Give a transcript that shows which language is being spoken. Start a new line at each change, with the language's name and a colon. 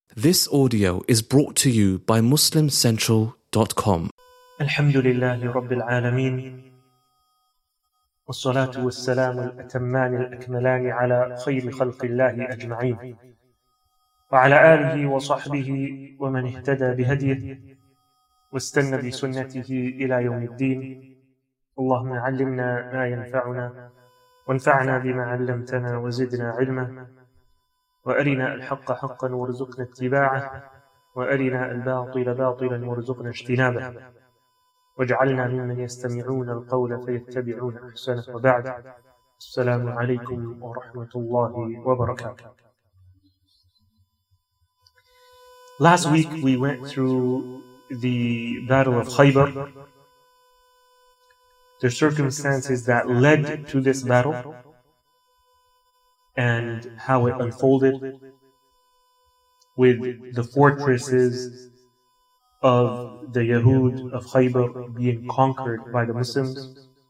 English: This audio is brought to you by MuslimCentral.com.
Arabic: الحمد لله رب العالمين والصلاة والسلام الأتمان الأكملان على خير خلق الله أجمعين وعلى آله وصحبه ومن اهتدى بهديه واستنى بسنته إلى يوم الدين. اللهم علمنا ما ينفعنا وانفعنا بما علمتنا وزدنا علما وأرنا الحق حقا وارزقنا اتباعه وأرنا الباطل باطلا وارزقنا اجتنابه واجعلنا ممن يستمعون القول فيتبعون أحسنه وبعد السلام عليكم ورحمة الله وبركاته.
English: Last week we went through the battle of Khaybar, the circumstances that led to this battle and how it unfolded with the fortresses of the Yahud of Khaybar being conquered by the Muslims,